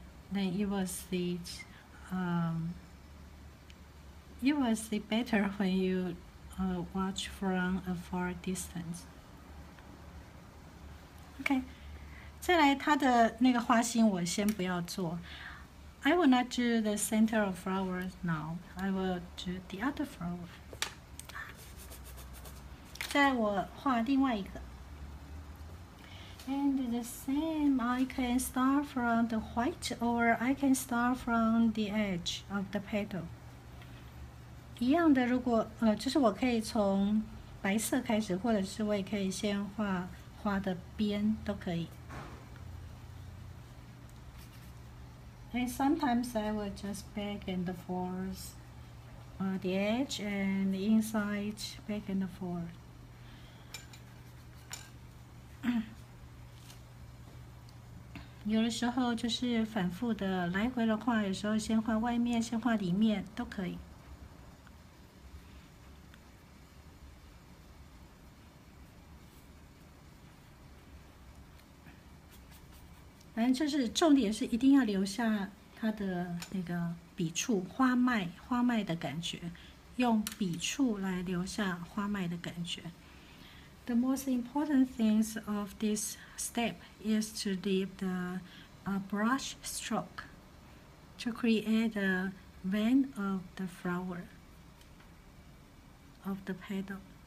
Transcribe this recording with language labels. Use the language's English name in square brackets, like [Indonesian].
[English] Then you will see better when you watch from a far distance. Okay. [Chinese] 再来他的那个花心我先不要做。 [English] I will not do the center of flowers now. I will do the other flower. [Chinese] 再我画另外一个。 [English] And the same, I can start from the white or I can start from the edge of the petal. [Chinese] 一样的，如果就是我可以从白色开始，或者是我也可以先画花的边都可以。 [English] And sometimes I will just back and forth the edge and the inside, back and forth. [Chinese] 有的时候就是反复的来回的画，有时候先画外面，先画里面都可以。反正就是重点是一定要留下它的那个笔触，花脉的感觉，用笔触来留下花脉的感觉。 [English] The most important things of this step is to leave the brush stroke to create the vein of the flower of the petal.